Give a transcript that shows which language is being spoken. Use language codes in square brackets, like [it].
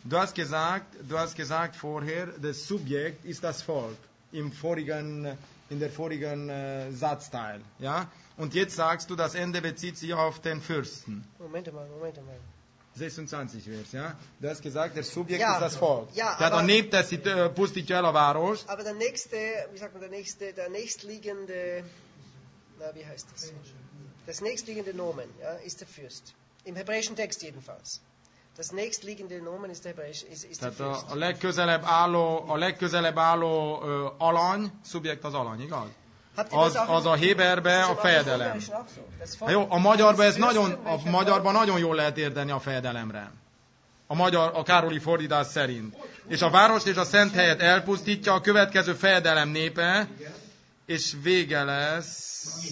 [de] Du hast gesagt vorher, das Subjekt ist das Volk. In der vorigen Satzteil. Ja? Und jetzt sagst du, das Ende bezieht sich auf den Fürsten. Moment mal. 26 Vers, ja? Du hast gesagt, das Subjekt ist das Volk. Ja, [hu] tehát a nép teszi, pusztítja el a várost. [de] Aber der nächste, wie sagt man, der nächstliegende... Na, wie heißt das? Das nächstliegende Nomen, ja, ist der Fürst. Im hebräischen Text jedenfalls. Das nächstliegende Nomen ist der hebräische, ist der Fürst. [hu] A legközelebb álló alany, Subjekt az alany, igaz? Az a héberbe a fejedelem. Jó, a magyarban ez nagyon, a magyarban nagyon jól lehet érteni a fejedelemre. A károli fordítás szerint. És a várost és a szent helyet elpusztítja a következő fejedelem népe, és vége lesz.